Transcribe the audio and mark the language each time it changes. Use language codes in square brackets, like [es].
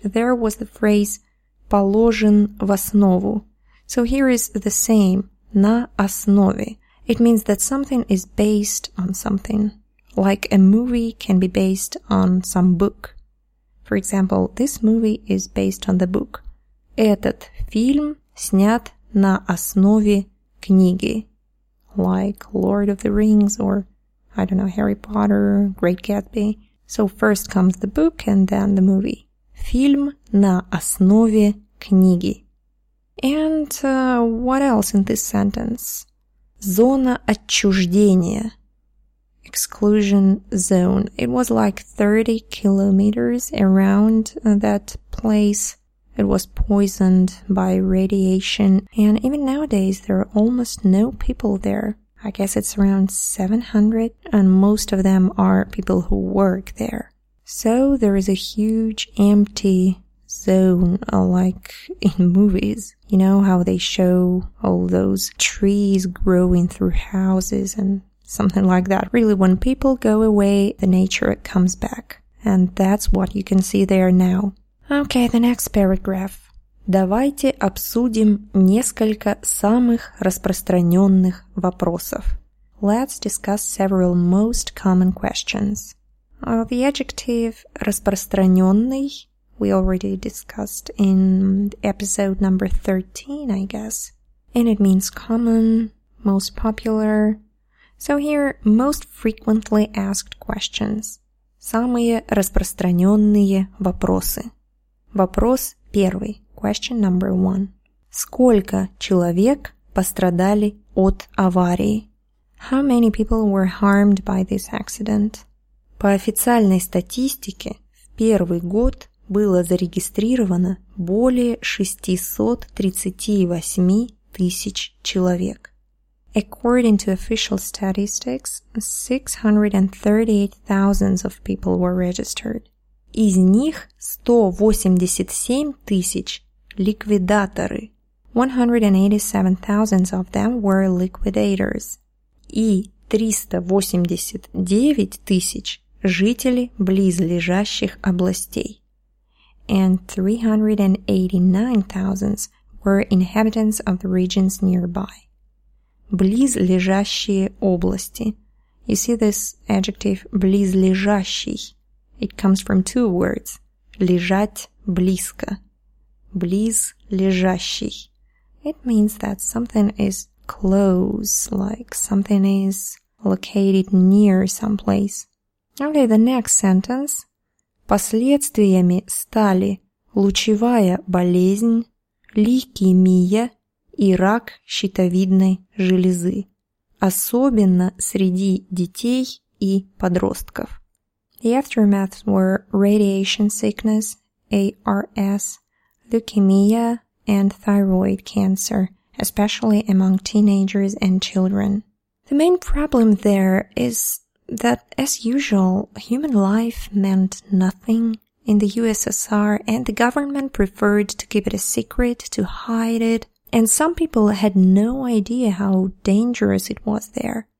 [en] There was the phrase [ru] «положен в основу». [en] So here is the same [ru] «на основе». [en] It means that something is based on something. Like a movie can be based on some book. For example, this movie is based on the book. [ru] Этот фильм снят на основе книги. [en] Like Lord of the Rings or, I don't know, Harry Potter, Great Gatsby. So first comes the book and then the movie. [ru] Фильм на основе книги. [en] And what else in this sentence? [ru] Зона отчуждения. [en] Exclusion zone. It was like 30 kilometers around that place. It was poisoned by radiation. And even nowadays, there are almost no people there. I guess it's around 700, and most of them are people who work there. So there is a huge empty zone, like in movies. You know how they show all those trees growing through houses and something like that. Really, when people go away, the nature comes back. And that's what you can see there now. Okay, the next paragraph. [ru] Давайте обсудим несколько самых распространенных вопросов. [en] Let's discuss several most common questions. The adjective распространенный we already discussed in episode number 13, I guess. And it means common, most popular. So here, most frequently asked questions. [ru] Самые распространенные вопросы. Вопрос первый. [en] Question number one. [ru] Сколько человек пострадали от аварии? [en] How many people were harmed by this accident? [ru] По официальной статистике, в первый год было зарегистрировано более 638 тысяч человек. [en] According to official statistics, 638,000 of people were registered. [ru] Из них 187 тысяч – ликвидаторы. [en] 187,000 of them were liquidators. [ru] И 389 тысяч – жители близлежащих областей. [en] And 389,000 were inhabitants of the regions nearby. [ru] Близлежащие области. [en] You see this adjective близлежащий. It comes from two words. [ru] Лежать близко. Близлежащий. [en] It means that something is close, like something is located near some place. Okay, the next sentence. [ru] Последствиями стали лучевая болезнь, лейкемия и рак щитовидной железы, особенно среди детей и подростков. [en] The aftermaths were radiation sickness, ARS, leukemia and thyroid cancer, especially among teenagers and children. The main problem there is that, as usual, human life meant nothing in the USSR, and the government preferred to keep it a secret, to hide it, and some people had no idea how dangerous it was there.